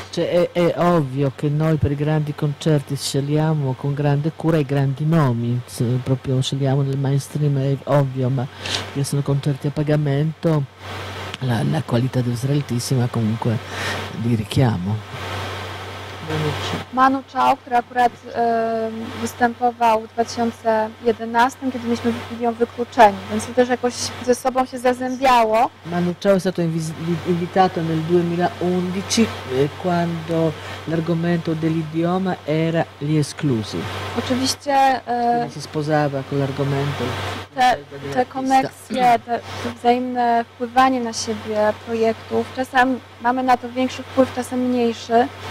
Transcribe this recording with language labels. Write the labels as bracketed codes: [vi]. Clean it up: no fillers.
[it] Cioè, è ovvio che noi per i grandi concerti scegliamo con grande cura i grandi nomi, proprio scegliamo nel mainstream, è ovvio, ma che sono concerti a pagamento, la qualità deve essere altissima, comunque li richiamo. [pl] Manu Chao, który akurat występował w 2011, kiedy mieliśmy ją wykluczeni, więc to też jakoś ze sobą się zazębiało. [it] Manu Chao è stato invitato nel 2011, quando l'argomento dell'idioma era gli esclusi. [pl] Oczywiście... [it] si sposava con l'argomento. [pl] Te koneksje, to wzajemne wpływanie na siebie projektów, czasem mamy na to większy wpływ, czasem mniejszy.